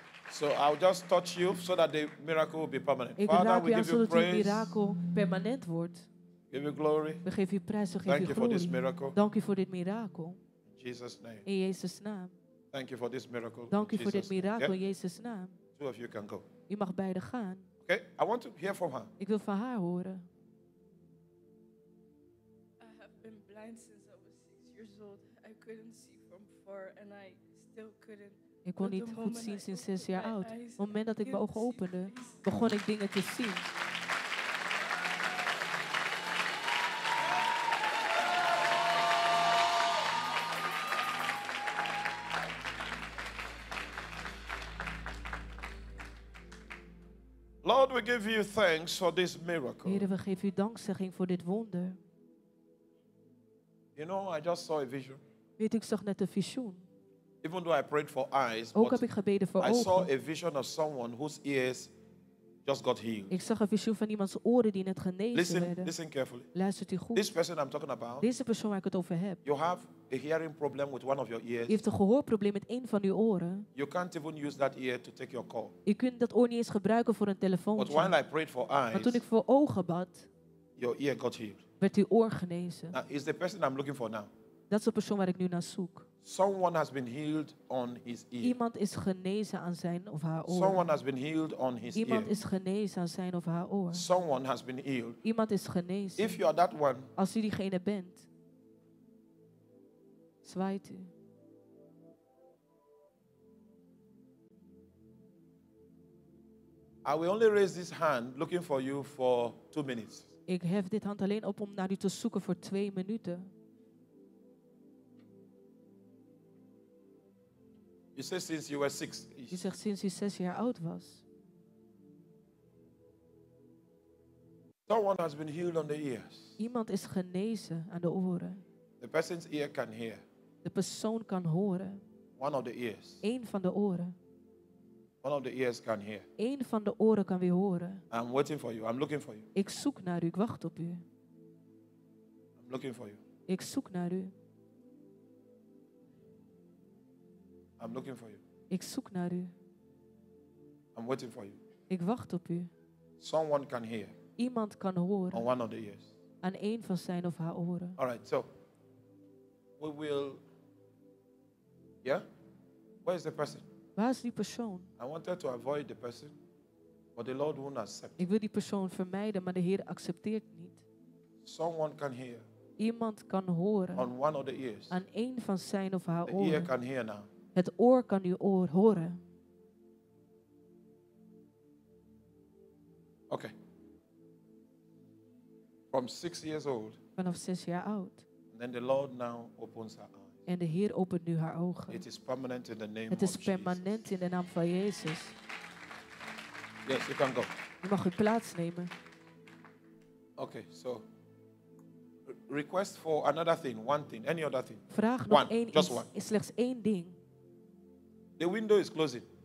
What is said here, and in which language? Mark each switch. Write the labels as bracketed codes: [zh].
[en] So I'll just touch you so that the miracle will be permanent. Ik Father, we give you praise. [nl] Zodat het mirakel permanent wordt. [en] Give you glory. [nl] We geven u prijs, we geven [en] Thank [nl] u [en] you glory. For this miracle. [nl] Dank u voor dit mirakel. [en] In Jesus' name. [nl] In Jezus' naam. [en] Thank you for this miracle. [nl] Dank u voor dit mirakel, yeah? In Jezus' naam. [en] Two of you can go. [nl] U mag beide gaan. [en] Okay, I want to hear from her. [nl] Ik wil van haar horen. [en] I have been blind since I was 6 years old. I couldn't see from far and I still couldn't. [nl] Ik kon niet goed zien sinds 6 jaar oud. Op het moment dat ik mijn ogen opende, begon ik dingen te zien. [en] Lord, we give you thanks for this miracle. [nl] Heer, we geven u dankzegging voor dit wonder. [en] You know, I just saw a vision. [nl] Weet, ik zag net een visioen. [en] Even though I prayed for eyes, [nl] ook heb ik gebeden voor ogen. [en] I saw a vision of someone whose ears just got healed. [nl] Ik zag een visioen van iemands oren die net genezen [en] listen, [nl] werden. [en] Listen carefully. [nl] Luistert u goed. [en] This person I'm talking about, [nl] deze persoon waar ik het over heb. [en] You have a hearing problem with one of your ears. [nl] U heeft een gehoorprobleem met een van uw oren. [en] You can't even use that ear to take your call. [nl] U kunt dat oor niet eens gebruiken voor een telefoontje. [en] But while I prayed for eyes, [nl] maar toen ik voor ogen bad, [en] your ear got healed. [nl] Werd uw oor genezen. [en] Now, is the person I'm looking for now. [nl] Dat is de persoon waar ik nu naar zoek. [en] Someone has been healed on his ear. [nl] Iemand is genezen aan zijn of haar oor. [en] Someone has been healed on his [nl] Iemand [en] ear. [nl] Iemand is genezen aan zijn of haar oor. [en] Someone has been healed. [nl] Iemand is genezen. [en] If you are that one, [nl] als u diegene bent, zwaait u. [en] I will only raise this hand looking for you for 2 minutes. [nl] Ik hef dit hand alleen op om naar u te zoeken voor 2 minuten. [en] You say since you were 6. [nl] Je zegt sinds je 6 jaar oud was. [en] Someone has been healed on the ears. [nl] Iemand is genezen aan de oren. [en] The person's ear can hear. [nl] De persoon kan horen. [en] One of the ears. [nl] Eén van de oren. [en] One of the ears can hear. [nl] Eén van de oren kan weer horen. [en] I'm waiting for you. I'm looking for you. [nl] Ik zoek naar u. Ik wacht op u. [en] I'm looking for you. [nl] Ik zoek naar u. [en] I'm looking for you. [nl] Ik zoek naar u. [en] I'm waiting for you. [nl] Ik wacht op u. [en] Someone can hear. [nl] Iemand kan horen. [en] On one of the ears. [nl] Aan één van zijn of haar oren. [en] All right, so we will. Yeah? Where is the person? [nl] Waar is die persoon? [en] I wanted to avoid the person, but the Lord won't accept. [nl] Ik wil die persoon vermijden, maar de Heer accepteert niet. [en] Someone can hear. [nl] Iemand kan horen. [en] On one of the ears. [nl] Aan één van zijn of haar oren. [en] The ear can hear now. [nl] Het oor kan uw oor horen. Oké. [en] From 6 years old. [nl] Vanaf 6 jaar oud. [en] And then the Lord now opens her eyes. [nl] En de Heer opent nu haar ogen. [en] It is permanent in the name of Jesus. [nl] Het is permanent in de naam van Jezus. [en] Yes, you can go. [nl] U mag uw plaats nemen. [en] Oké, okay, so. Request for another thing, one thing, any other thing. [nl] Vraag [en] one, [nl] nog één [en] just one. [nl] Is slechts één ding. [en] The window is closing.